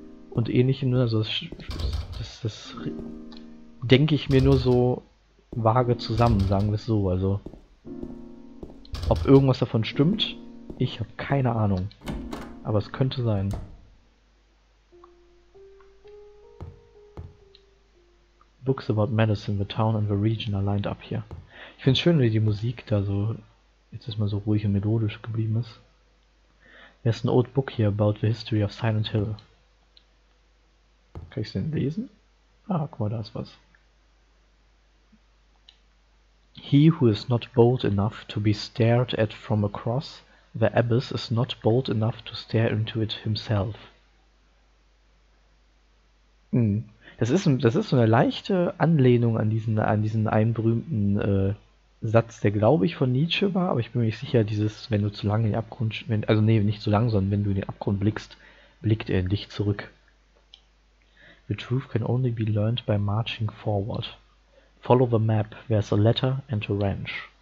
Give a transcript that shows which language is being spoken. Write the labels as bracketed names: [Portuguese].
[German] Und ähnlichem, also das denke ich mir nur so vage zusammen, sagen wir es so. Also, ob irgendwas davon stimmt, ich habe keine Ahnung, aber es könnte sein. [English] Books about medicine, the town and the region are lined up here. [German] Ich finde es schön, wie die Musik da so jetzt erstmal so ruhig und melodisch geblieben ist. [English] There's an old book here about the history of Silent Hill. [German] Kann ich es denn lesen? Ah, guck mal, da ist was. [English] He who is not bold enough to be stared at from across the abyss is not bold enough to stare into it himself. Hm. [German] Das ist so eine leichte Anlehnung an diesen einen berühmten Satz, der, glaube ich, von Nietzsche war, aber ich bin mir nicht sicher, dieses, wenn du zu lange in den Abgrund, wenn du in den Abgrund blickst, blickt er in dich zurück. [English] The truth can only be learned by marching forward. Follow the map, there's a letter and a ranch.